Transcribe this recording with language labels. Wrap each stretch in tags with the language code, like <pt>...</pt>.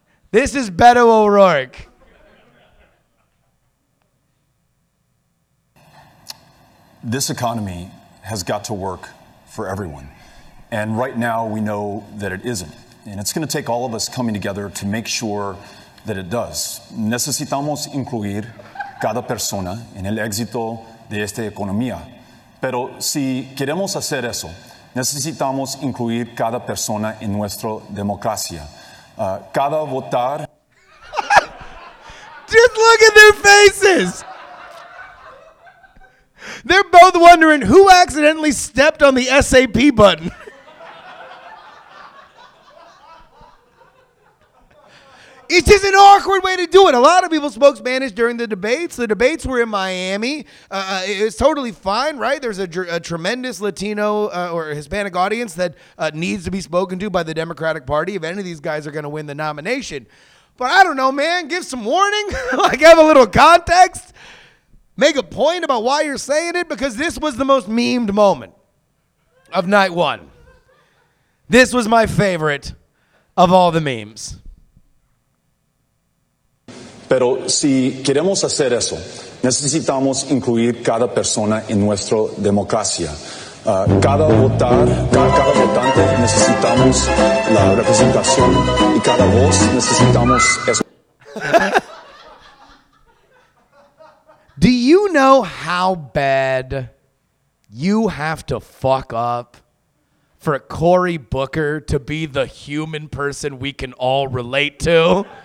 <en>This is Beto O'Rourke. This economy has got to work for everyone. And right now we know that it isn't. And it's going to take all of us coming together to make sure that it does.</en> <es>Necesitamos incluir cada persona en el éxito de esta economía. Pero si queremos hacer eso, necesitamos incluir cada persona en nuestra democracia. Cada votar.</es> <en>Just look at their faces. They're both wondering who accidentally stepped on the SAP button. It's just an awkward way to do it. A lot of people spoke Spanish during the debates. The debates were in Miami. It was totally fine, right? There's a tremendous Latino or Hispanic audience that needs to be spoken to by the Democratic Party if any of these guys are going to win the nomination. But I don't know, man. Give some warning. Like, have a little context. Make a point about why you're saying it, because this was the most memed moment of night one. This was my favorite of all the memes.</en> <es>Pero si queremos hacer eso, necesitamos incluir cada persona en nuestra democracia. Cada votar, cada votante necesitamos la representación y cada voz necesitamos eso.</es> <en>Do you know how bad you have to fuck up for Cory Booker to be the human person we can all relate to?</en>